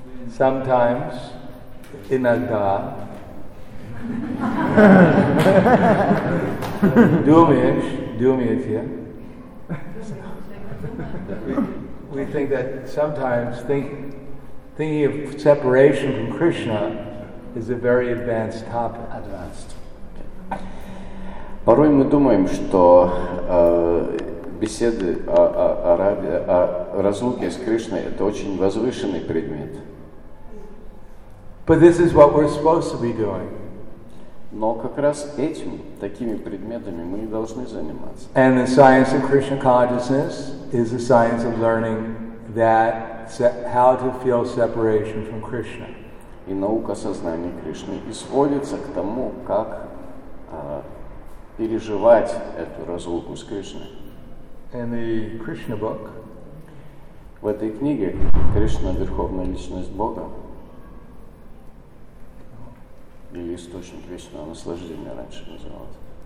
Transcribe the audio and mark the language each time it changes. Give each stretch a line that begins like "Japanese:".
English: Sometimes,
Russian: иногда, думаете,
English: we think that sometimes thinking of separation from Krishna is a very advanced topic.
Russian: Порой мы думаем, что беседы о разлуке с Кришной – это очень возвышенный предмет.
English: But this is what we're supposed to be doing.
Russian: Но как раз этим, такими предметами мы и должны заниматься.
English: And the science of Krishna consciousness is the science of learning that how to feel separation from Krishna.
Russian: И наука сознания Кришны и сводится к тому, как переживать эту разлуку с Кришной.
English: In the Krishna book,
Russian: в этой книге Кришна – Верховная Личность Бога или Источник Вечного Наслаждения раньше назывался.